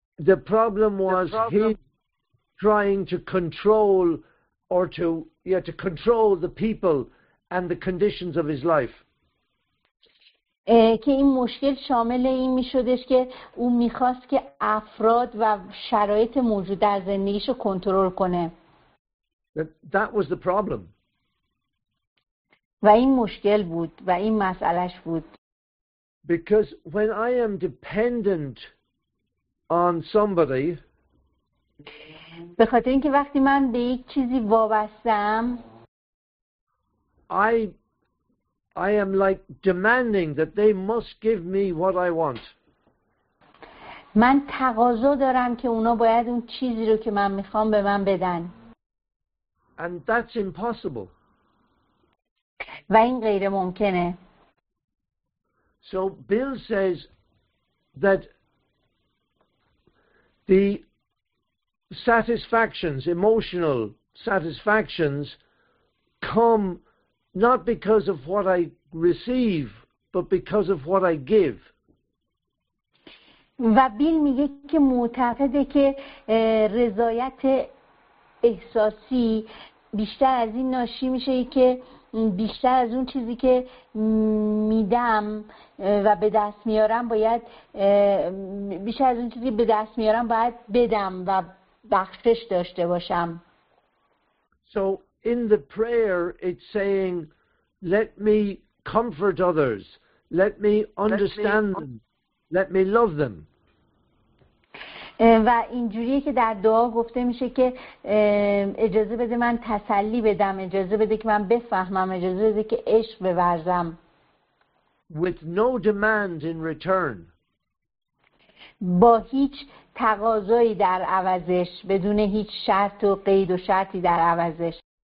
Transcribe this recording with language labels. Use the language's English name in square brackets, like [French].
[English] The problem was he trying to control or to to control the people and the conditions of his life. [Persian] که این مشکل شامل این میشدش که او میخواست که افراد و شرایط موجود در زندگیش رو کنترل کنه. [English] That was the problem. [Persian] و این مشکل بود و این مسئلهش بود. [English] Because when I am dependent on somebody, [Persian] به خاطر اینکه وقتی من به یک چیزی وابستم، [English] I am like demanding that they must give me what I want. [Persian] من تقاضا دارم که اونا باید اون چیزی رو که من میخوام به من بدن. [English] And that's impossible. [Persian] و این غیر ممکنه. [English] So Bill says that the satisfactions, emotional satisfactions, come not because of what I receive, but because of what I give. [Persian] و بیل میگه که معتقده که رضایت احساسی بیشتر از این ناشی میشه که بیشتر از اون چیزی که میدم و به دست میارم باید بیشتر از اون چیزی به دست میارم باید بدم و بخشش داشته باشم. [English] So in the prayer it's saying let me comfort others, let me understand them, let me love them. [Persian] و اینجوریه که در دعا گفته میشه که اجازه بده من تسلی بدم، اجازه بده که من بفهمم، اجازه بده که عشق بورزم. [English] With no demand in return. [Persian] با هیچ تقاضایی در عوضش، بدون هیچ شرط و قید و شرطی در عوضش.